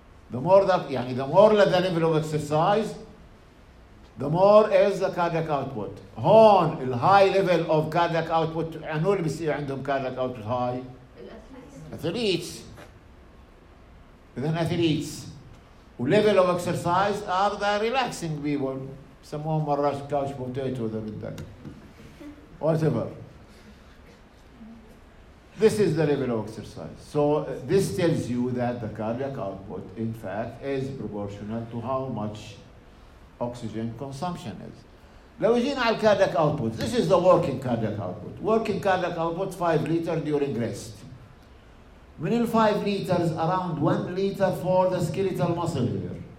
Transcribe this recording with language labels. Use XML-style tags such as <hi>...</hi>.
<en>The more that</en> <ar>يعني</ar> <en>the more the level of exercise, the more is the cardiac output.</en> <ar>هون ال</ar> <en>high level of cardiac output. And who will see</en> <ar>عندهم</ar> <en>cardiac output high? Athletes. Then athletes. Level of exercise are the relaxing people.</en> <ar>سموهم مرات couch potato إذا بدك.</ar> <en>Whatever. This is the level of exercise. So this tells you that the cardiac output, in fact, is proportional to how much oxygen consumption is.</en> <ar>لو جينا على</ar> <en>cardiac output, this is the working cardiac output. Working cardiac output 5 liters during rest.</en> <ar>من ال</ar> <en>5 liters around 1 liter for the skeletal muscle here.</en>